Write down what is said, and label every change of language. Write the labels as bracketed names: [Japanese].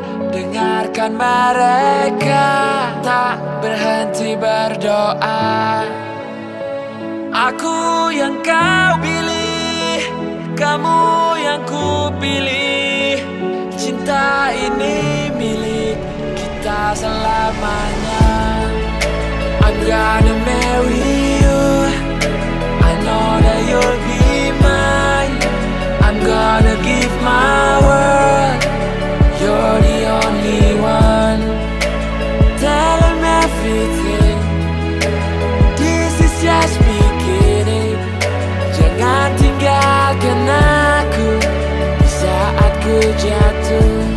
[Indonesian] Dengarkan mereka, tak berhenti berdoa. Aku yang kau pilih, kamu yang ku pilih. Cinta ini milik kita selamanya. [English] I'm gonna marry you, I know that you'll be mine. I'm gonna give my word, you're the only one. Tell them everything, this is just beginning. [Indonesian] Jangan tinggalkan aku di saat ku jatuh.